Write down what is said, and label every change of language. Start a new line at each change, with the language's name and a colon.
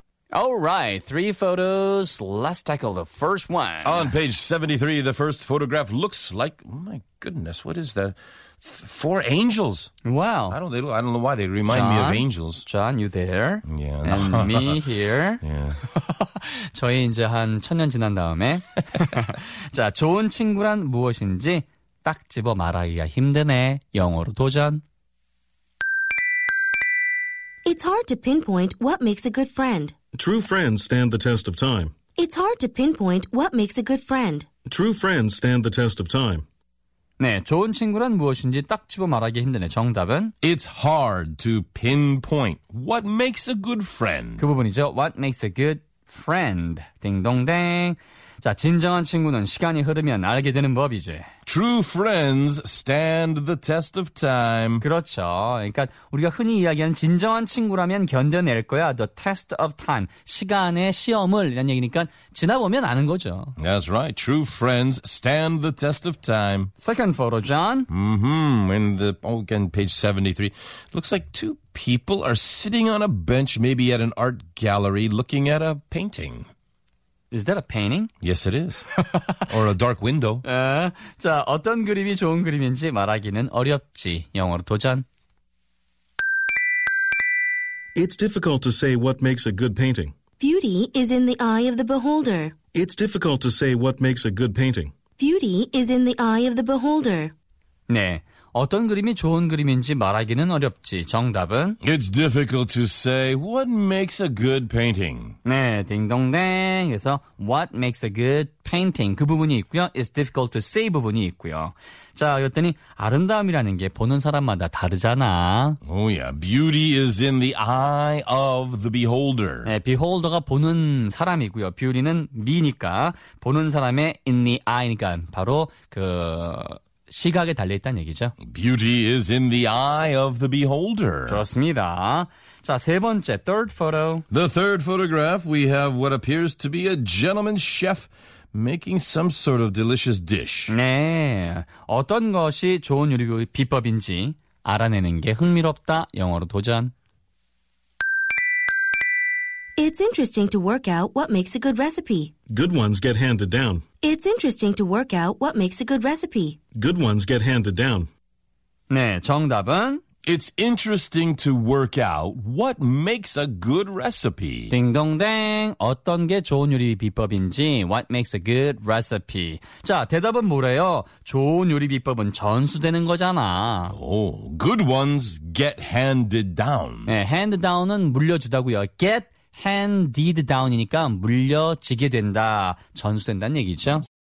English: All right, three photos. Let's tackle the first one. On page 73, the first photograph looks like, oh my goodness, what is that? Four angels. Wow. I don't know why they remind John, me of angels. John, you there? Yeah. And me here. Yeah.
Korean: 저희 이제 한 1000년 지난 다음에. 자, 좋은 친구란 무엇인지 딱 집어 말하기가 힘드네. 영어로 도전.
English: It's hard to pinpoint what makes a good friend. True friends stand the test of time. It's hard to pinpoint what makes a good friend. True friends stand the test of time.
Korean: 네, 좋은 친구란 무엇인지 딱 집어 말하기 힘드네. 정답은?
English: It's hard to pinpoint what makes a good friend.
Korean: 그 부분이죠.
English: What makes a good friend.
Korean: 딩동댕. 자, 진정한 친구는 시간이 흐르면 알게 되는 법이지.
English: True friends stand the test of time.
Korean: 그렇죠. 그러니까 우리가 흔히 이야기하는 진정한 친구라면 견뎌낼 거야.
English: The test of time.
Korean: 시간의 시험을 이란 얘기니까 지나보면 아는 거죠.
English: That's right. True friends stand the test of time. Second photo, John. Mm-hmm. In the, oh, again, page 73. Looks like two people are sitting on a bench, maybe at an art gallery, looking at a painting. Is that a painting? Yes, it is. Or a dark window.
Korean: 자, 어떤 그림이 좋은 그림인지 말하기는 어렵지. 영어로 도전.
English: It's difficult to say what makes a good painting. Beauty is in the eye of the beholder. It's difficult to say what makes a good painting. Beauty is in the eye of the beholder.
Korean: 네. 어떤 그림이 좋은 그림인지 말하기는 어렵지. 정답은?
English: It's difficult to say what makes a good painting.
Korean: 네, 딩동댕. 그래서
English: what makes a good painting
Korean: 그 부분이 있고요.
English: It's difficult to say
Korean: 부분이 있고요. 자, 그랬더니 아름다움이라는 게 보는 사람마다 다르잖아.
English: Oh yeah, beauty is in the eye of the beholder.
Korean: 네, beholder가 보는 사람이고요. Beauty는 미니까 보는 사람의
English: in the eye
Korean: 니까 바로 그... 시각에 달려있다는 얘기죠.
English: Beauty is in the eye of the beholder.
Korean: 좋습니다. 자, 세 번째,
English: third photo. The third photograph, we have what appears to be a gentleman chef making some sort of delicious dish.
Korean: 네, 어떤 것이 좋은 요리의 비법인지 알아내는 게 흥미롭다. 영어로 도전.
English: It's interesting to work out what makes a good recipe. Good ones get handed down. It's interesting to work out what makes a good recipe. Good ones get handed down.
Korean: 네, 정답은?
English: It's interesting to work out what makes a good recipe.
Korean: 딩동댕, 어떤 게 좋은 요리 비법인지,
English: what makes a good recipe.
Korean: 자, 대답은 뭐래요? 좋은 요리 비법은 전수되는 거잖아.
English: Oh, good ones get handed down.
Korean: 네, hand down은 물려주다고요.
English: Get handed down
Korean: 이니까 물려지게 된다, 전수된다는 얘기죠.